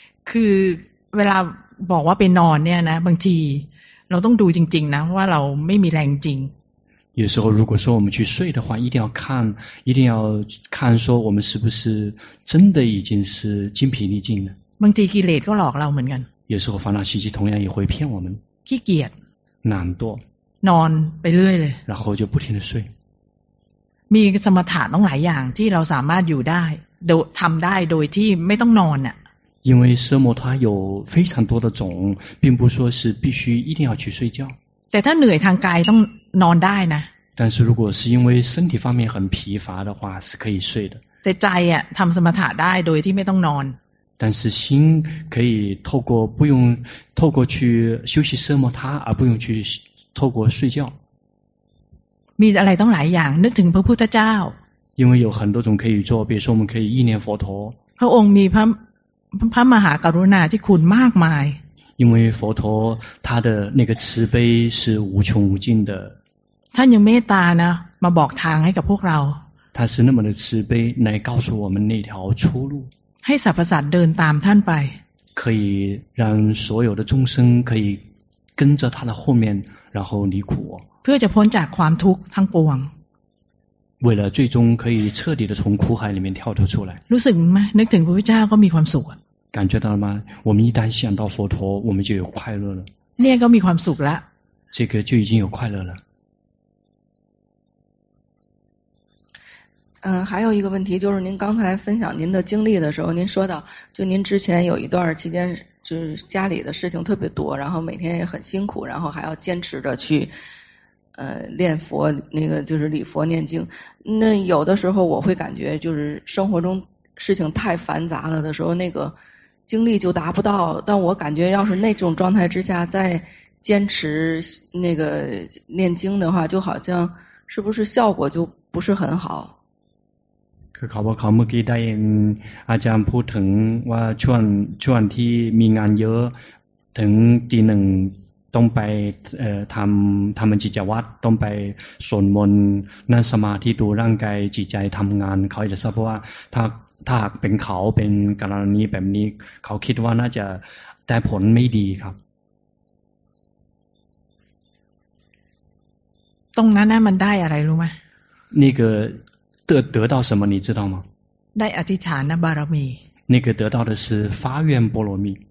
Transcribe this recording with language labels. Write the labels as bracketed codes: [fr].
[th] คือเวลาบอกว่าไปนอนเนี่ยนะบางทีเราต้องดูจริงๆนะว่าเราไม่มีแรงจริง [zh] 有时候如果说我们去睡的话一定要看说我们是不是真的已经是精疲力尽了 [th] บางทีกิเลสก็หลอกเราเหมือนกัน [zh] 有时候烦恼习气同样也会骗我们 [th] ขี้เกียจ [zh] 懒惰 [th] นอนไปเรื่อยเลย [zh] 然后就不停的睡 [th] มีสมถะต้องหลายอย่างที่เราสามารถอยู่ได้โดทำได้โดยที่ไม่ต้องนอนอ่ะ [zh] 因为奢摩它有非常多的种并不说是必须一定要去睡觉 [th] แต่ถ้าเหนื่อยทางกายต้องนอนได้นะ [zh] 但是如果是因为身体方面很疲乏的话是可以睡的 [th] แต่ใจอ่ะทำสมถะได้โดยที่ไม่ต้องนอน [zh] 但是心可以透过去休息奢摩他而不用去透过睡觉 [th] มีอะไรต้องหลายอย่างนึกถึงพระพุทธเจ้า [zh] 因为有很多种可以做比如说我们可以忆念佛陀 [th] พระองค์มีพระมหากรุณาที่คุณมากมาย [zh] 因为佛陀他的那个慈悲是无穷无尽的 [th] ท่านยังเมตตานะมาบอกทางให้กับพวกเรา [zh] 他是那么的慈悲来告诉我们那条出路 [th] ให้สรรพสัตว์เดินตามท่านไป [zh] 可以让所有的众生可以跟着他的后面然后离苦 [th] เพื่อจะพ้นจากความทุกข์ทั้งปวง [zh] 为了最终可以彻底的从苦海里面跳脱出来 [th] รู้สึกไหมนึกถึงพระพุทธเจ้าก็มีความสุข [zh] 感觉到了吗我们一旦想到佛陀我们就有快乐了 [th] เนี่ยก็มีความสุขละ [zh] 这个就已经有快乐了嗯，还有一个问题就是您刚才分享您的经历的时候您说到就您之前有一段期间就是家里的事情特别多然后每天也很辛苦然后还要坚持着去练佛那个就是礼佛念经那有的时候我会感觉就是生活中事情太繁杂了的时候那个精力就达不到，但我感觉要是那种状态之下再坚持那个念经的话，就好像是不是效果就不是很好。 [th] คือเขาบอกเขาเมื่อกี้ได้ยินอาจารย์พูดถึงว่าช่วงที่มีงานเยอะถึงตีหนึ่งต้องไปทำมันจิจวัตรต้องไปสวดมนต์นั่งสมาธิดูร่างกายจิตใจทำงานเขาจะทราบว่าถ้าเป็นเขาเป็นกรณีแบบนี้เขาคิดว่าน่าจะแต่ผลไม่ดีครับ ตรงนั้นมันได้อะไรรู้ไหม นี่คือเกิด [zh] 到什么你知道吗 [th] ได้อธิษฐานบารมี [zh] 那个得到的是发愿波罗蜜